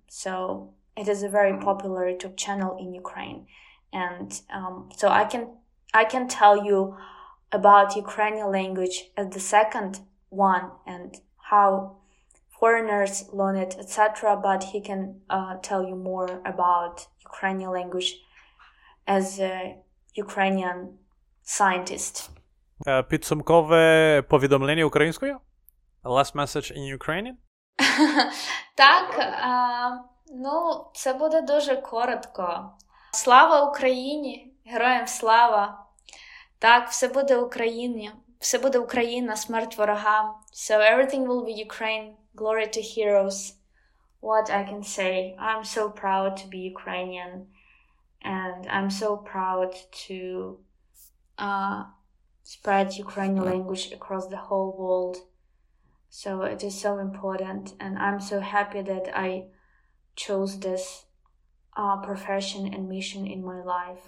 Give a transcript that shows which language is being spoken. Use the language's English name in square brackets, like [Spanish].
[English] So it is a very popular YouTube channel in Ukraine, and so I can tell you about Ukrainian language as the second one and how foreigners learn it, etc. But he can tell you more about Ukrainian language as a Ukrainian scientist. [Ukrainian] Підсумкове повідомлення українською? [English] Last message in Ukrainian? [Ukrainian] Так, це буде дуже коротко. Слава Україні, героям слава. Так, все буде Україні. Все буде Україна, смерть ворогам. [English] So everything will be Ukraine, glory to heroes. What I can say, I'm so proud to be Ukrainian. And I'm so proud to spread Ukrainian language across the whole world. So it is so important, and I'm so happy that I chose this profession and mission in my life.